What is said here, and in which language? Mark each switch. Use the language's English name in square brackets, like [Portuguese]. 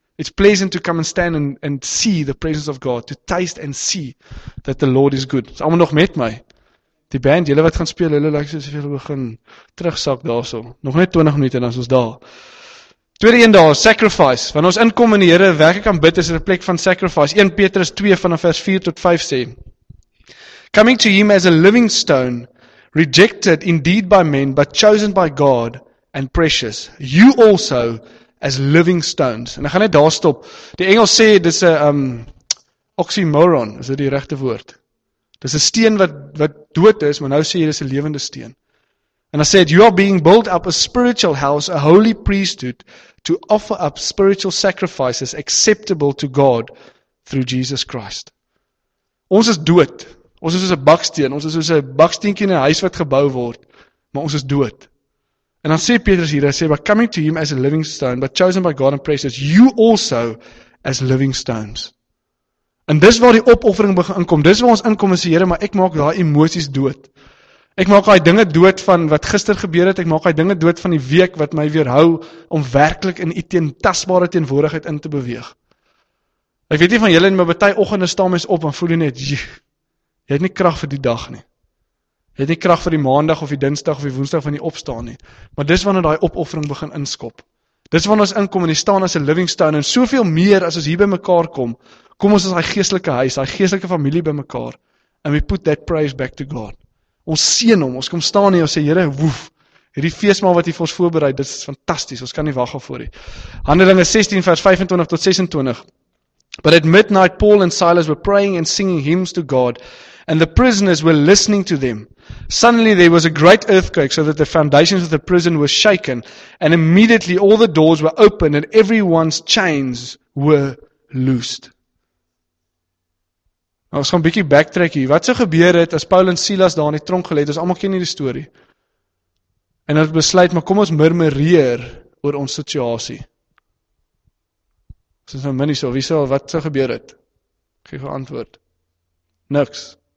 [English] It's pleasant to come and stand and see the presence of God, to taste and see that the Lord is good. [Afrikaans] Is almal nog met my? Die band, julle wat gaan speel, hulle lyk soos hulle begin terugsak daarso. Nog net 20 minute en dan is ons daar. Tweede een daar, sacrifice. Wanneer ons inkom in die Here, werk ek aan bid, is 'n plek van sacrifice. 1 Petrus 2 vanaf vers 4 tot 5 sê: [English] Coming to him as a living stone, rejected indeed by men, but chosen by God and precious. You also as living stones. [Afrikaans] En ek gaan net daar stop. Die Engels sê dis 'n oxymoron, is dit die regte woord? Dis 'n steen wat dood is, maar nou sê jy dis 'n lewende steen. [English] And I said, you are being built up a spiritual house, a holy priesthood, to offer up spiritual sacrifices acceptable to God through Jesus Christ. [Afrikaans] Ons is dood. Ons is soos 'n baksteen. Ons is soos 'n baksteentjie in 'n huis wat gebou word. Maar ons is dood. En dan sê Petrus hier, hy sê, [English] but coming to him as a living stone, but chosen by God and precious, you also as living stones. [Afrikaans] En dis waar die opoffering begin inkom. Dis waar ons inkom en sê, Here, maar ek maak daai emosies dood. Ek maak daai dinge dood van wat gister gebeur het. Ek maak daai dinge dood van die week wat my weerhou om werklik in u teentasbare teenwoordigheid in te beweeg. Ek weet nie van julle nie, maar baie oggende staan mens op en voel jy net, jy het nie krag vir die dag nie. Jy het nie krag vir die maandag of die dinsdag of die woensdag van die opstaan nie. Maar dis wanneer daai opoffering begin inskop. Dis wanneer ons inkom en die staan as 'n living stone en soveel meer as ons hier by mekaar kom. Kom ons as hy geestelike huis, hy geestelike familie by mekaar. [English] And we put that praise back to God. [Afrikaans] Ons seën hom, ons kom staan hier en sê, Here, woef, hierdie feestmaal wat hy vir ons voorberei, dit is fantasties, ons kan nie wag daarvoor nie. Handelinge 16 vers 25 tot 26. [English] But at midnight, Paul and Silas were praying and singing hymns to God, and the prisoners were listening to them. Suddenly there was a great earthquake, so that the foundations of the prison were shaken, and immediately all the doors were opened, and everyone's chains were loosed. [Afrikaans] Nou, ons gaan 'n bietjie backtrack hier. Wat sou gebeur het as Paul en Silas daar in die tronk gelê het? Ons almal ken hierdie storie. En hulle het besluit, maar kom ons murmureer oor ons situasie. Dit is nou minnie so, wie sê, wat sou gebeur het? Geef een antwoord. Niks.